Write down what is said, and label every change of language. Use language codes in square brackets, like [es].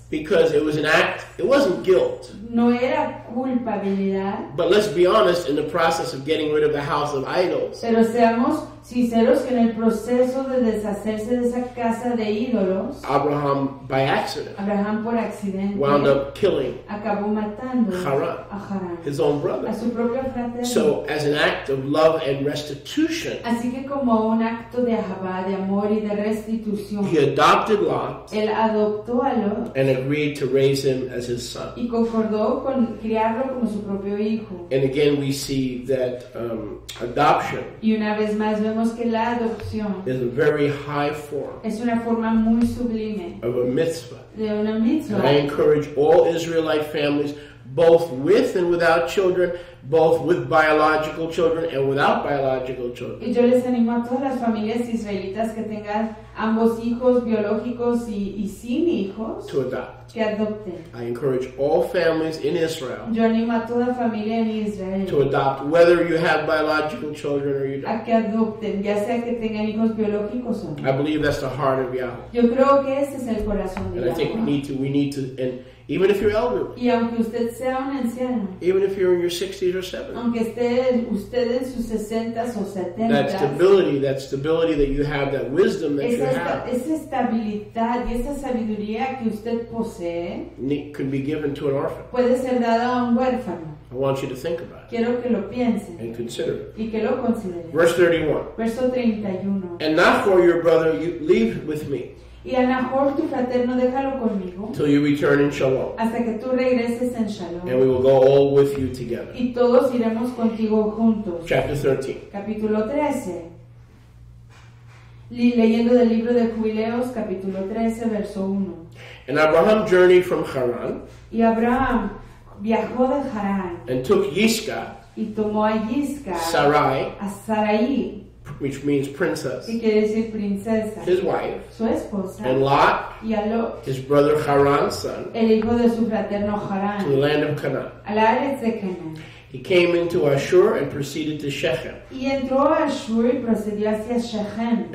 [en] Because it was an act, it wasn't guilt. [es] No era culpabilidad. [en] But let's be honest, in the process of getting rid of the house of idols. [es] Pero seamos sinceros que en el proceso de deshacerse de esa casa de ídolos, [en] Abraham, by accident, [es] Abraham por accidente, [en] wound up killing, [es] acabó matando, [en] Haran, his own brother. [es] A su propio fraterno. [en] So, as an act of love and restitution, [es] así que como un acto de ahavá, de amor y de restitución, [en] he adopted Lot, [es] él adoptó a Lot, [en] and agreed to raise him as his son. [es] Y concordó con criarlo como su propio hijo. [en] And again, we see that adoption. [es] Y una vez más vemos que la adopción [en] is a very high form, [es] es una forma muy sublime, [en] of a mitzvah. [es] De una mitzvah. [en] And I encourage all Israelite families, both with and without children, both with biological children and without biological children. [es] Y yo les animo a todas las familias israelitas que tengan ambos hijos biológicos y sin hijos, [en] to adopt. [es] Que adopten. [en] I encourage all families in Israel. [es] Yo animo a toda familia en Israel. [en] To adopt, whether you have biological children or you don't. [es] A que adopten, ya sea que tengan hijos biológicos o no. [en] I believe that's the heart of Yahweh. [es] Yo creo que ese es el corazón de Yahweh. [en] And I think we need to. And even if you're elderly. [es] Y aunque usted sea un anciano. [en] Even if you're in your 60s or 70s. [es] Aunque esté usted en sus 60s o 70s. [en] That stability that you have, that wisdom that you have. [es] Esa estabilidad y esa sabiduría que usted posee. [en] Could be given to an orphan. [es] Puede ser dada a un huérfano. [en] I want you to think about it. [es] Quiero que lo piense. [en] And consider it. [es] Y que lo considere. [en] Verse 31. [es] Verso 31. [en] And not for your brother, you leave with me. [es] Y a Nahor, tu fraterno, déjalo conmigo. [en] Till you return in shalom. [es] Hasta que tú regreses en shalom. [en] And we will go all with you together. [es] Y todos iremos contigo juntos. [en] Chapter 13. [es] Capítulo 13. Leyendo del libro de Jubileos, capítulo 13, verso 1. [en] And Abraham journeyed from Haran. [es] Y Abraham viajó de Haran. [en] And took Yiska. [es] Y tomó a Yiska. [en] Sarai. [es] A Sarai. [en] Which means princess. [es] Y quiere decir princesa. [en] His wife. [es] Su esposa. [en] And Lot. [es] Y a Lot. [en] His brother Haran's son. [es] El hijo de su fraterno Haran. [en] To the land of Canaan. [es] A la área de Canaan. [en] He came into Ashur and proceeded to Shechem. [es] Y entró a Ashur y procedió hacia Shechem.